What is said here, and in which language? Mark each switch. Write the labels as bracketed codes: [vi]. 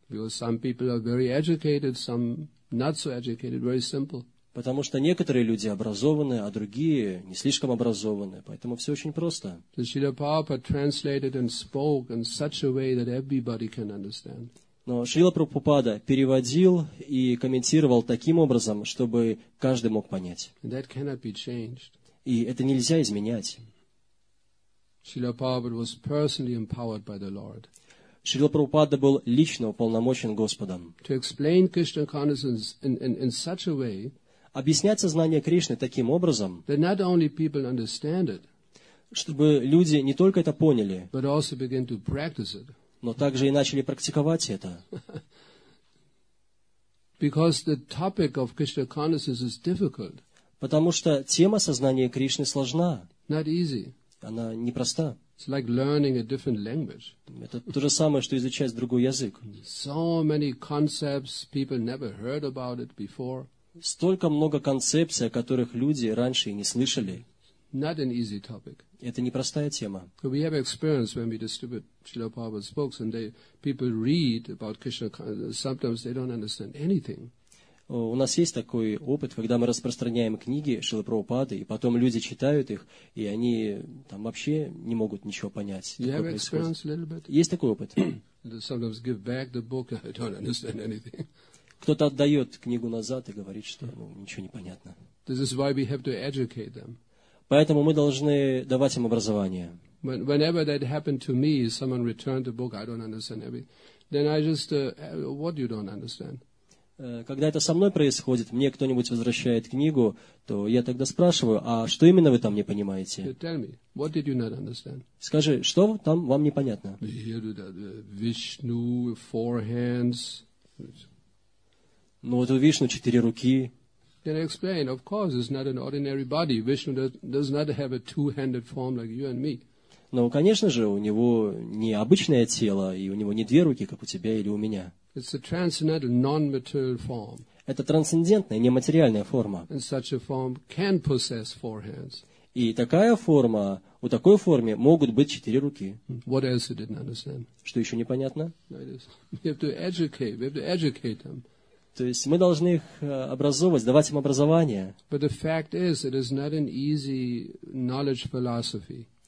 [en] Because some people are very educated, some not so educated, very simple. [ru] Потому что некоторые люди образованы, а другие не слишком образованы. Поэтому все очень просто. [en] Srila Prabhupada translated and spoke in such a way that everybody can understand. [ru] Но Шрила Прабхупада переводил и комментировал таким образом, чтобы каждый мог понять. [en] That cannot be changed. [ru] И это нельзя изменять. [en] Srila Prabhupada was personally empowered by the Lord. [ru] Шрила Прабхупада был лично уполномочен Господом. [en] To explain Krishna consciousness in such a way, [ru] объяснять сознание Кришны таким образом, [en] that not only people understand it, [ru] чтобы люди не только это поняли, [en] but also begin to practice it, [ru] но также и начали практиковать это. [en] Because the topic of Krishna consciousness is difficult. [ru] Потому что тема сознания Кришны сложна. [en] Not easy. [ru] Она непроста. [en] It's like learning a different language. [ru] Это то же самое, что изучать другой язык. [en] So many concepts people never heard about it before. [ru] Столько много концепций, о которых люди раньше и не слышали. [en] Not an easy topic. [ru] Это непростая тема. [en] We have experience when we distribute Srila Prabhupada's books, and they people read about Krishna consciousness. Sometimes they don't understand anything. [ru] У нас есть такой опыт, когда мы распространяем книги Шрилы Прабхупады, и потом люди читают их, и они там вообще не могут ничего понять. [en] You have experience a little bit? [ru] Есть такой опыт. [en] Sometimes give back the book. I don't understand anything. [ru] Кто-то отдает книгу назад и говорит, что ну, ничего не понятно. [en] This is why we have to educate them. [ru] Поэтому мы должны давать им образование. [en] Whenever that happened to me, someone returned the book, I don't understand everything. Then I just, what you don't understand? [ru] Когда это со мной происходит, мне кто-нибудь возвращает книгу, то я тогда спрашиваю, а что именно вы там не понимаете? [en] Tell me, what did you not understand? [ru] Скажи, что там вам непонятно? [en] Vishnu, four hands. [ru] Ну, вот у Вишну четыре руки. [en] Then I explained, of course, it's not an ordinary body. Vishnu does not have a two-handed form like you and me. [ru] Но, конечно же, у него не обычное тело, и у него не две руки, как у тебя или у меня. [en] It's a transcendental, non-material form. [ru] Это трансцендентная, нематериальная форма. [en] And such a form can possess four hands. [ru] И такая форма, у такой формы могут быть четыре руки. [en] What else you didn't understand? [ru] Что еще непонятно? [en] We have to educate them. [ru] То есть мы должны их образовывать, давать им образование. [en] But the fact is, it is not an easy knowledge philosophy.